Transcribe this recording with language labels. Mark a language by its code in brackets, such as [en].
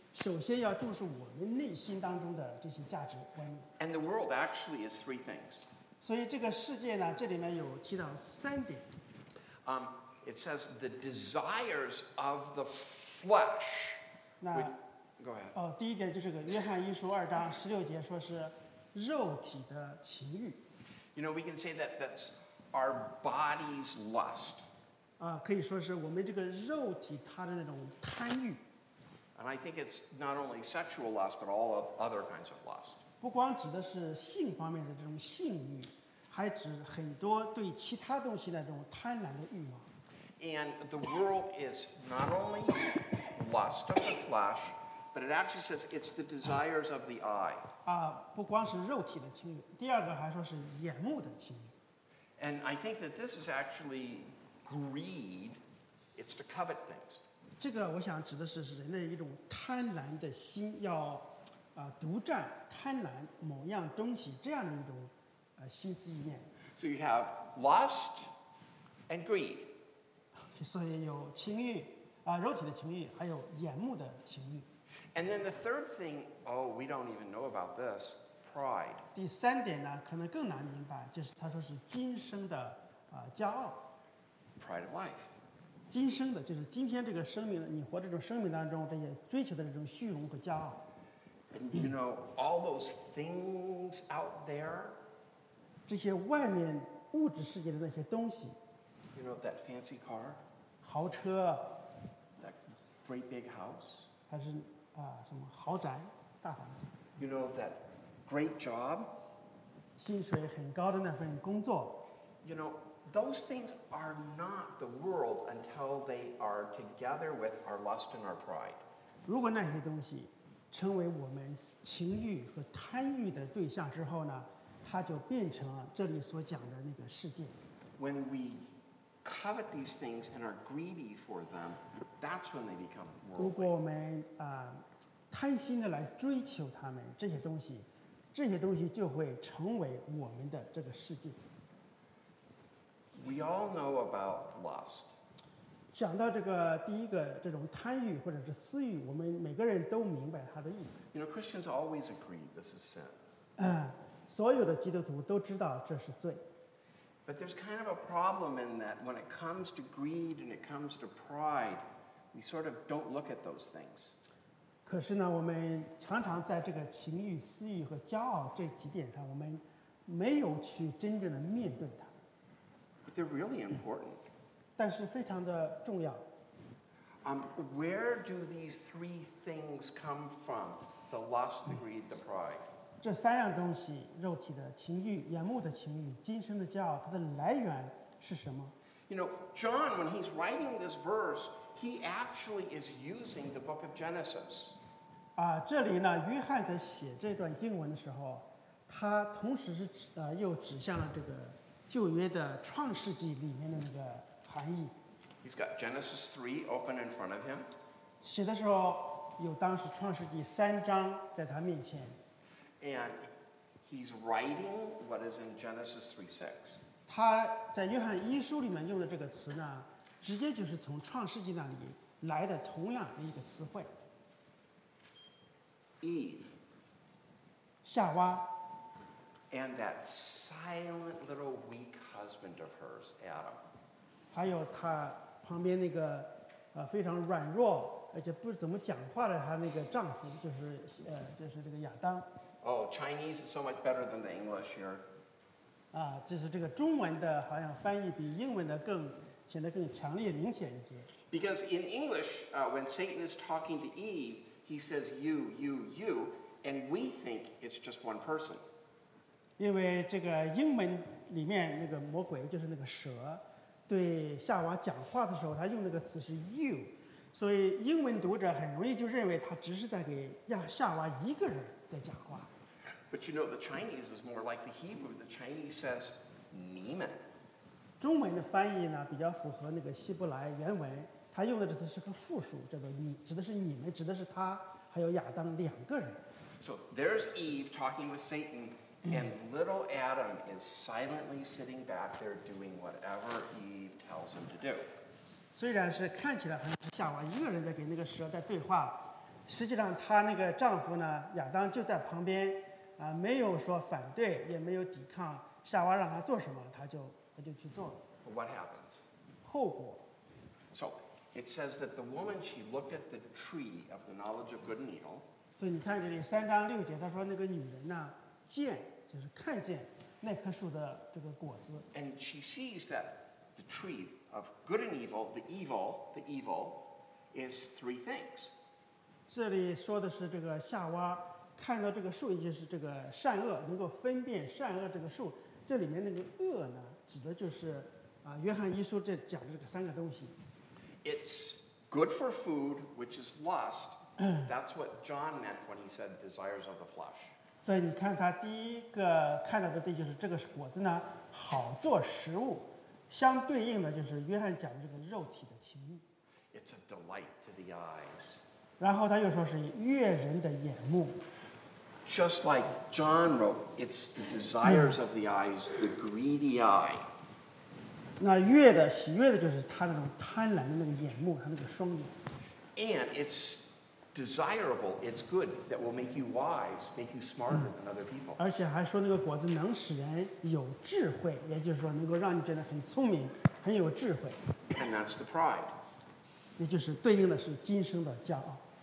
[zh] 首先要重视我们内心当中的这些价值观念。 [en] And the world actually is three things. [zh] 所以这个世界呢，这里面有提到三点。 [en] It says the desires of the flesh. [zh] 那 [en] go ahead. [zh] 第一点就是个约翰一书二章十六节，说是肉体的情欲。 [en] You know, we can say that that's our body's lust. [zh] 可以说是我们这个肉体它的那种贪欲。 [en] And I think it's not only sexual lust, but all of other kinds of lust. [zh] 不光指的是性方面的这种性欲，还指很多对其他东西的这种贪婪的欲望。 [en] And the world is not only lust of the flesh, but it actually says it's the desires of the eye. [zh] 不光是肉体的情欲，第二个还说是眼目的情欲。 [en] And I think that this is actually greed. It's to covet things. [zh] 这个我想指的是人的一种贪婪的心，要独占贪婪某样东西，这样的一种心思意念。 [en] So you have lust and greed. [zh] 所以有情欲肉体的情欲，还有眼目的情欲。 [en] And then the third thing, oh, we don't even know about this, pride. [zh] 第三点呢，可能更难明白，就是他说是今生的骄傲。 [en] Pride of life. [zh] 今生的就是今天这个生命，你活这种生命当中这些追求的这种虚荣和骄傲。 [en] And you know all those things out there, [zh] 这些外面物质世界的那些东西。 [en] You know that fancy car, [zh] 豪车。 [en] That great big house, [zh] 还是什么豪宅大房子。 [en] You know that great job, 薪水很高的那份工作。 You know. Those things are not the world until they are together with our lust and our pride. [zh] 如果那些东西成为我们情欲和贪欲的对象之后呢，它就变成了这里所讲的那个世界。 [en] When we covet these things and are greedy for them, that's when they become worldly. [zh] 如果我们贪心的来追求它们这些东西就会成为我们的这个世界。 [en] We all know about lust. [zh] 讲到这个第一个这种贪欲或者是私欲，我们每个人都明白它的意思。 [en] You know, Christians always agree this is sin. [zh] 所有的基督徒都知道这是罪。 [en] But there's kind of a problem in that when it comes to greed and it comes to pride, we sort of don't look at those things. [zh] 可是呢，我们常常在这个情欲、私欲和骄傲这几点上，我们没有去真正的面对它。 [en] They're really important. [zh] 但是非常的重要。 [en] Where do these three things come from? The lust, the greed, the pride. [zh] 这三样东西，肉体的情欲、眼目的情欲、今生的骄傲，它的来源是什么？ [en] You know, John, when he's writing this verse, he actually is using the book of Genesis. [zh] 这里呢，约翰在写这段经文的时候，他同时是又指向了这个旧约的创世纪里面的那个含义。 [en] He's got Genesis 3 open in front of him. [zh] 写的时候有当时创世纪三章在他面前。 [en] And he's writing what is in Genesis 3:6. [zh] 他在约翰一书里面用的这个词呢，直接就是从创世纪那里来的同样的一个词汇。 [en] Eve. [zh] 夏娃。 [en] And that silent little weak husband of hers, Adam. [zh] 还有他旁边那个非常软弱而且不怎么讲话的他那个丈夫，就是这个亚当。 [en] Oh, Chinese is so much better than the English here. [zh] 就是这个中文的好像翻译比英文的更显得更强烈明显一些。 [en] Because in English, when Satan is talking to Eve, he says you, you, you, and we think it's just one person. [zh] 因为这个英文里面那个魔鬼就是那个蛇对夏娃讲话的时候他用那个词是 you 所以英文读者很容易就认为他只是在给夏娃一个人在讲话 [en] But you know the Chinese is more like the Hebrew The Chinese says 你们 [zh] 中文的翻译呢比较符合那个希伯来原文他用的这词是个复数叫做你指的是你们指的是他还有亚当两个人 [en] So there's Eve talking with SatanAnd little Adam is silently sitting back there doing whatever Eve tells him to do. [zh] 虽然是看起来很夏娃一个人在跟那个蛇在对话，实际上她那个丈夫呢，亚当就在旁边，没有说反对，也没有抵抗。夏娃让他做什么，他就去做了。 [en] What happens? [zh] 后果。 [en] So it says that the woman she looked at the tree of the knowledge of good and evil. [zh] 所以你看这里三章六节，他说那个女人呢。见就是看见那棵树的这个果子。 [en] And she sees that the tree of good and evil, the evil, is three things. [zh] 这里说的是这个夏娃看到这个树，也就是这个善恶，能够分辨善恶这个树。这里面那个恶呢，指的就是约翰一书这讲的这个三个东西。 [en] It's good for food, which is lust. That's what John meant when he said desires of the flesh. [zh] 所以你看他第一个看到的地就是这个果子呢好做食物相对应的就是约翰讲的这个肉体的情欲 [en] It's a delight to the eyes [zh] 然后他又说是悦人的眼目 [en] Just like John wrote It's the desires of the eyes The greedy eye [zh] 那悦的喜悦的就是他那种贪婪的那个眼目他那个双眼 [en] And it'sDesirable, it's good that will make you wise, make you smarter than other people. [zh] 而且还说那个果子能使人有智慧，也就是说能够让你觉得很聪明，很有智慧。 [en] And that's the pride. [zh] 也就是对应的是今生的骄傲。